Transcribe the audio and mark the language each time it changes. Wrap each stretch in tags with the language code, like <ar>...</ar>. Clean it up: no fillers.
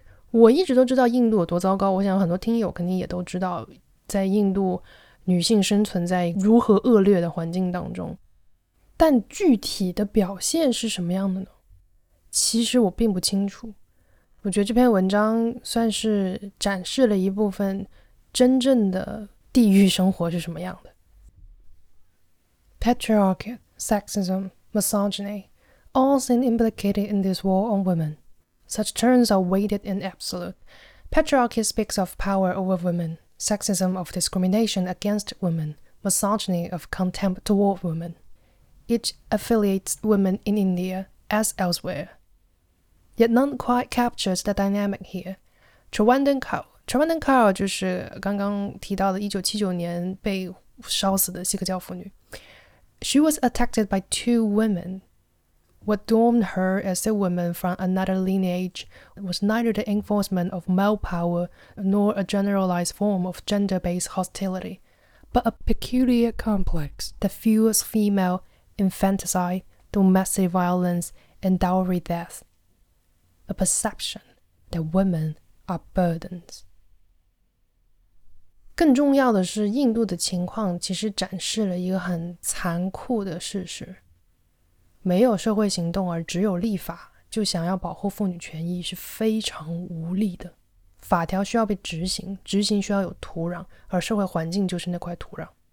<zh>我一直都知道印度有多糟糕，我想很多听友肯定也都知道，在印度女性生存在如何恶劣的环境当中，但具体的表现是什么样的呢？其实我并不清楚。我觉得这篇文章算是展示了一部分真正的地狱生活是什么样的。</zh> <en>Patriarchy, sexism, misogyny, all seem implicated in this war on womenSuch terms are weighted in absolute. Patriarchy speaks of power over women, sexism of discrimination against women, misogyny of contempt toward women. It affiliates women in India as elsewhere. Yet none quite captures the dynamic here. Chawandan Kaur.</en> <zh>Chawandan Kaur 就是刚刚提到的1979年被烧死的锡克教妇女。</zh> <en>She was attacked by two women. What dormed her as a woman from another lineage was neither the enforcement of male power nor a generalized form of gender-based hostility, but a peculiar complex that fuels female infanticide, domestic violence, and dowry death. A perception that women are burdens.</en> <zh>更重要的是，印度的情况其实展示了一个很残酷的事实。没有社会行动而只有立法就想要保护妇女权益是非常无力的。法条需要被执行，执行需要有土壤，而社会环境就是那块土壤。</zh>